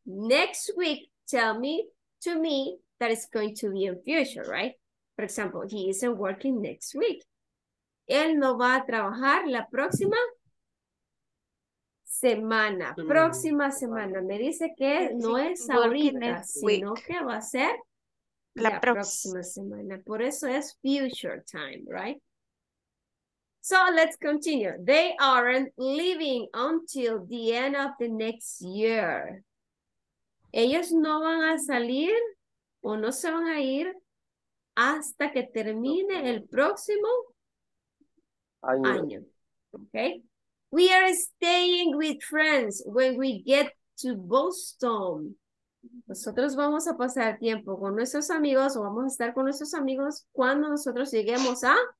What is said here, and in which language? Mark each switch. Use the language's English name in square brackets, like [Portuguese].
[English] Next week, tell me to me that it's going to be in future, right? For example, he isn't working next week. [Spanish] Él no va a trabajar la próxima semana. Próxima semana. Me dice que no es ahorita, sino que va a ser La próxima semana. Por eso es [English] future time, right? So let's continue. They aren't leaving until the end of the next year. [Spanish] Ellos no van a salir o no se van a ir hasta que termine el próximo año. [English] Okay? We are staying with friends when we get to Boston. [Spanish] Nosotros vamos a pasar tiempo con nuestros amigos o vamos a estar con nuestros amigos cuando nosotros lleguemos a